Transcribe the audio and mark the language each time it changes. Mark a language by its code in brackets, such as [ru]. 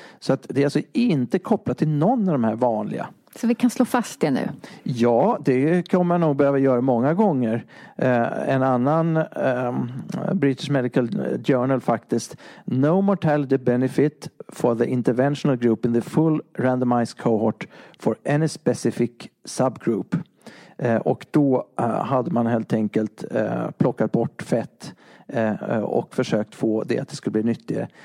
[sv] Så att det är alltså inte kopplat till någon av de här vanliga. Så vi kan slå fast det nu? Ja, det kommer man nog behöva göra många gånger. En annan British Medical Journal faktiskt. [en] No mortality benefit for the interventional group in the full randomized cohort for any specific subgroup. [sv] Och då hade man helt enkelt plockat bort fett och försökt få det att det skulle bli nyttigare.